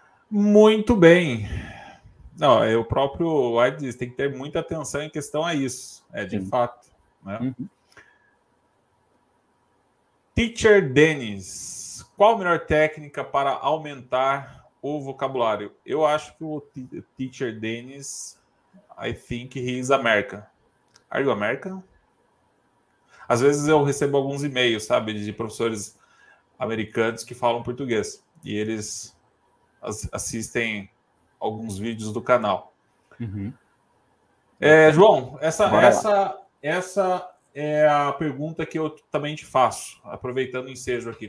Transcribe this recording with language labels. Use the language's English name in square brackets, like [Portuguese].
[Portuguese] Muito bem. Não, é o próprio White diz, tem que ter muita atenção em questão a isso. É, de fato. Né? Uhum. Teacher Dennis, qual a melhor técnica para aumentar o vocabulário? Eu acho que o [English] Teacher Dennis, I think he is American. Are you American? [Portuguese] Às vezes eu recebo alguns e-mails, sabe, de professores americanos que falam português. E eles... assistem alguns vídeos do canal. Uhum. João, essa é a pergunta que eu também te faço, aproveitando o ensejo aqui.